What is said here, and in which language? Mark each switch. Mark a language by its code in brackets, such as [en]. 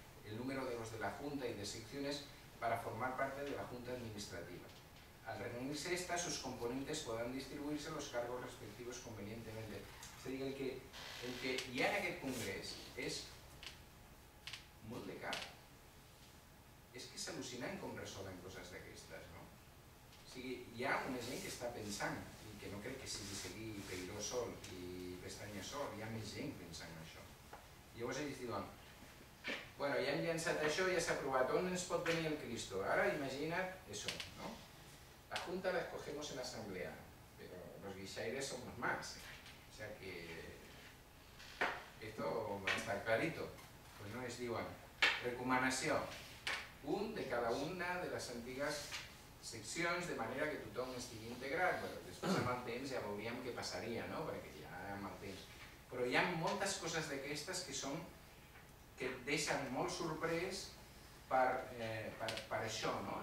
[es] el número de los de la Junta y de secciones para formar parte de la Junta Administrativa. Al reunirse esta, sus componentes podrán distribuirse los cargos respectivos convenientemente. Se diga que el que ya en aquel congrés es muy de cara. [ca] Es que s'al·lucinen com resolen coses d'aquestes, no? O sigui, hi ha una gent que està pensant i que no crec que sigui seguir Peiró sol i Pestanya sol, hi ha més gent pensant en això. Llavors ells diuen, bueno, ja hem llançat això, ja s'ha aprovat, on ens pot venir el Cristo? Ara imagina't això, no? La Junta [es] la escogemos [ca] en l'assemblea, però els guixaires som els mags. [es] O sea que esto va a estar clarito. [ca] Pues no, ells diuen, recomanació. Un de cada una de les antigues seccions, de manera que tothom estigui integrat. Bueno, després amb el temps ja veuríem què passaria, no? Perquè ja amb el temps. Però hi ha moltes coses d'aquestes que són, que deixen molt sorprès per això, no?